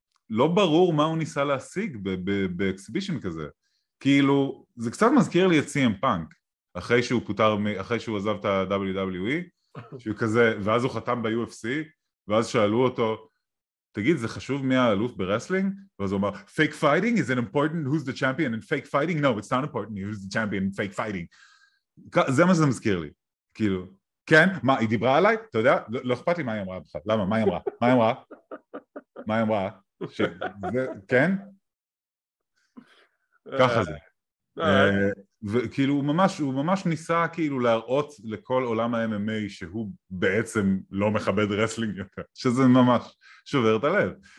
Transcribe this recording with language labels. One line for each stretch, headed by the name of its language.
Hebrew: לא ברור מה הוא ניסה להשיג באקסיבישן כזה. כאילו, זה קצת מזכיר לי את CM Punk, אחרי שהוא פותר, אחרי שהוא עזב את ה-WWE, שהוא כזה, ואז הוא חתם ב-UFC, ואז שאלו אותו, תגיד, זה חשוב מי האלוף ברסלינג?
English: ואז הוא אמר, fake fighting, is it important who's the champion and fake fighting? No, it's not important who's the champion and fake fighting.
Hebrew: זה מה זה מזכיר לי, כאילו, כן, מה, היא דיברה עליי? אתה יודע, לא אכפת לי מה היא אמרה בכלל, למה, מה היא אמרה? מה היא אמרה? מה היא אמרה? כן? ככה זה. וכאילו הוא ממש ניסה כאילו להראות לכל עולם ה-MMA שהוא בעצם לא מכבד רסלינג יותר, שזה ממש שובר את הלב.